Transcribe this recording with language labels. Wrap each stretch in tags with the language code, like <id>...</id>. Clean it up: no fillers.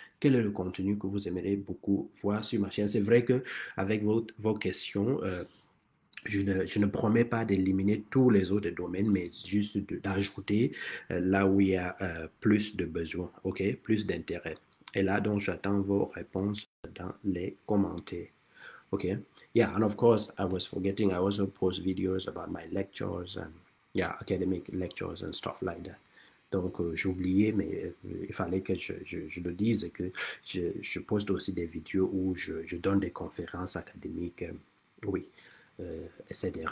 <fr>Quel est le contenu que vous aimeriez beaucoup voir sur ma chaîne? C'est vrai qu'avec vos questions, je ne promets pas d'éliminer tous les autres domaines, mais juste d'ajouter là où il y a plus de besoins, ok? Plus d'intérêt. Et là, donc, j'attends vos réponses dans les commentaires.</fr> <en>Okay, yeah, and of course, I was forgetting, I also post videos about my lectures and, yeah, academic lectures and stuff like that.</en> <fr>Donc, j'oubliais, mais il fallait que je le dise, que je poste aussi des vidéos où je donne des conférences académiques, oui, etc.</fr>